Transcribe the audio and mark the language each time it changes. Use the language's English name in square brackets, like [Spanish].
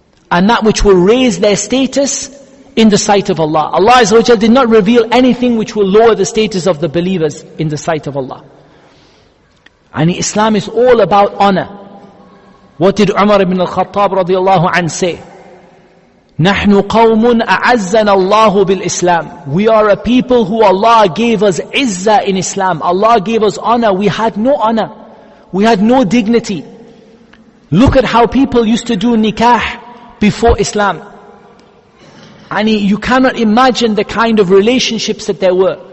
[English] And that which will raise their status in the sight of Allah. Allah Azza wa Jal did not reveal anything which will lower the status of the believers in the sight of Allah. And Islam is all about honor. What did Umar ibn al-Khattab radiallahu anhu say? [Arabic] نحن قوم أعزنا الله بالإسلام. [English] We are a people who Allah gave us izza in Islam. Allah gave us honor. We had no honor. We had no dignity. Look at how people used to do nikah before Islam. And you cannot imagine the kind of relationships that there were.